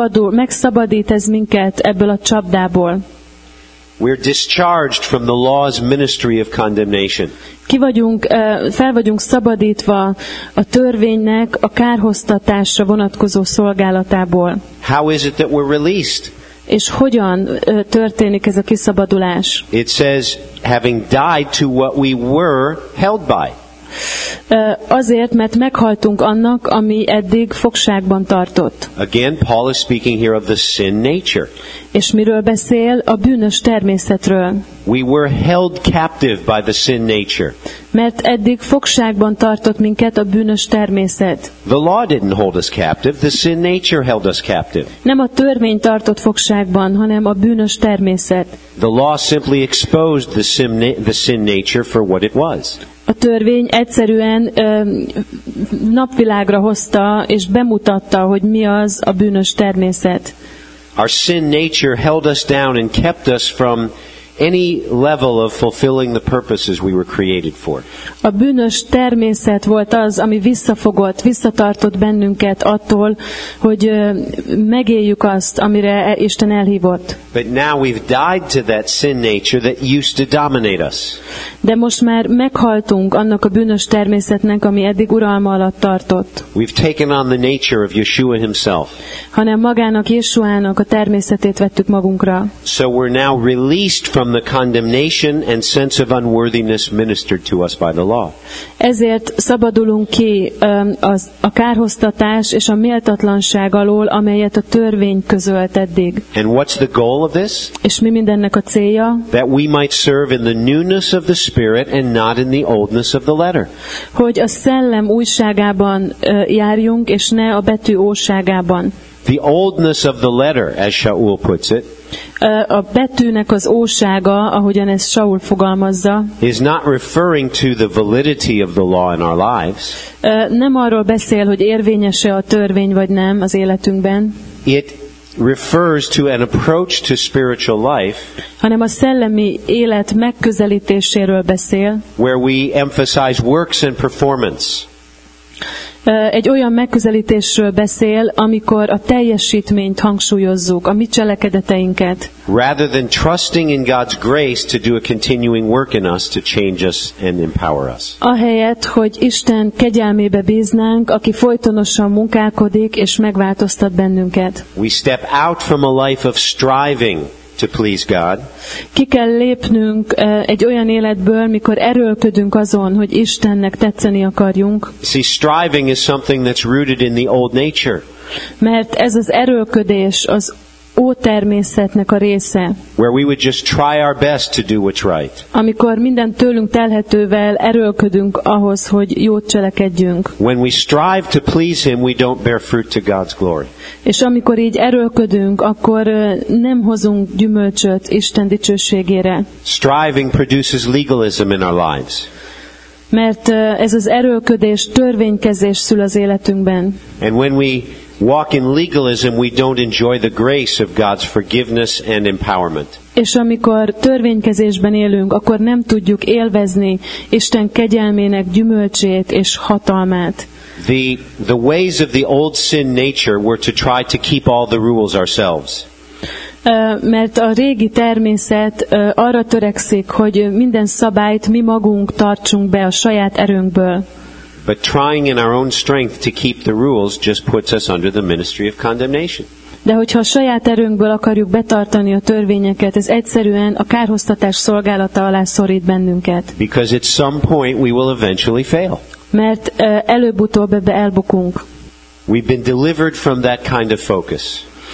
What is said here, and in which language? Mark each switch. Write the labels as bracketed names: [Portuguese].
[Hungarian] Megszabadít ez minket ebből a csapdából. [English] We're discharged from the law's ministry of condemnation. [Hungarian] Fel vagyunk szabadítva a törvénynek a kárhoztatásra vonatkozó szolgálatából. [English] How is it that we're released? [Hungarian] És hogyan történik ez a kiszabadulás? [English] It says, having died to what we were held by. [Hungarian] Azért, mert meghaltunk annak, ami eddig fogságban tartott. [English] Again, Paul is speaking here of the sin nature. [Hungarian] És miről beszél? A bűnös természetről. [English] We were held captive by the sin nature. [Hungarian] Mert eddig fogságban tartott minket a bűnös természet. [English] The law didn't hold us captive, the sin nature held us captive. [Hungarian] Nem a törvény tartott fogságban, hanem a bűnös természet. [English] The law simply exposed the sin nature for what it was. [Hungarian] A törvény egyszerűen napvilágra hozta és bemutatta, hogy mi az a bűnös természet. [English] Our sin nature held us down and kept us from any level of fulfilling the purposes we were created for. [Hungarian] A bűnös természet volt az, ami visszafogott, visszatartott bennünket attól, hogy megéljük azt, amire Isten elhívott. [English] But now we've died to that sin nature that used to dominate us. [Hungarian] De most már meghaltunk annak a bűnös természetnek, ami eddig uralma alatt tartott. [English] We've taken on the nature of Yeshua himself. [Hungarian] Hanem magának Yeshuának a természetét vettük magunkra. [English] So we're now released from the condemnation and sense of unworthiness ministered to us by the law. [Hungarian] Ezért szabadulunk ki a kárhoztatás és a méltatlanság alól, amelyet a törvény közölt eddig. [English] And what's the goal of this? [Hungarian] És mi mindennek a célja? [English] That we might serve in the newness of the Spirit and not in the oldness of the letter. [Hungarian] Hogy a szellem újságában járjunk, és ne a betű óságában. [English] The oldness of the letter, as Shaul puts it, [Hungarian] a betűnek az ósága, ahogyan ezt Saul fogalmazza, [English] is not referring to the validity of the law in our lives. [Hungarian] Nem arról beszél, hogy érvényes-e a törvény vagy nem az életünkben. [English] It refers to an approach to spiritual life, [Hungarian] hanem a szellemi élet megközelítéséről beszél, [English] where we emphasize works and performance. [Hungarian] Egy olyan megközelítésről beszél, amikor a teljesítményt hangsúlyozzuk, a mi cselekedeteinket. [English] Rather than trusting in God's grace to do a continuing work in us to change us and empower us. [Hungarian] Ahelyett, hogy Isten kegyelmébe bíznánk, aki folytonosan munkálkodik és megváltoztat bennünket. [English] We step out from a life of striving to please God. [Hungarian] Ki kell lépnünk egy olyan életből, mikor erőlködünk azon, hogy Istennek tetszeni akarjunk. [English] See, striving is something that's rooted in the old nature. [Hungarian] Mert ez az erőlködés az ótermészetnek a része. [English] Where we would just try our best to do what's right. [Hungarian] Amikor minden tőlünk telhetővel erőlködünk ahhoz, hogy jót cselekedjünk. [English] When we strive to please him, we don't bear fruit to God's glory. [Hungarian] És amikor így erőlködünk, akkor nem hozunk gyümölcsöt Isten dicsőségére. [English] Striving produces legalism in our lives. [Hungarian] Mert ez az erőlködés törvénykezés szül az életünkben. [English] And when we walk in legalism, we don't enjoy the grace of God's forgiveness and empowerment. [Hungarian] És amikor törvénykezésben élünk, akkor nem tudjuk élvezni Isten kegyelmének gyümölcsét és hatalmát. [English] The ways of the old sin nature were to try to keep all the rules ourselves. [Hungarian] Mert a régi természet arra törekszik, hogy minden szabályt mi magunk tartsunk be a saját erőnkből. [English] But trying in our own strength to keep the rules just puts us under the ministry of condemnation. [Hungarian] De hogyha a saját erőnkből akarjuk betartani a törvényeket, ez egyszerűen a kárhoztatás szolgálata alá szorít bennünket. [English] Because at some point we will eventually fail. [Hungarian] Mert előbb-utóbb ebbe elbukunk. [English] We've been delivered from that kind of focus.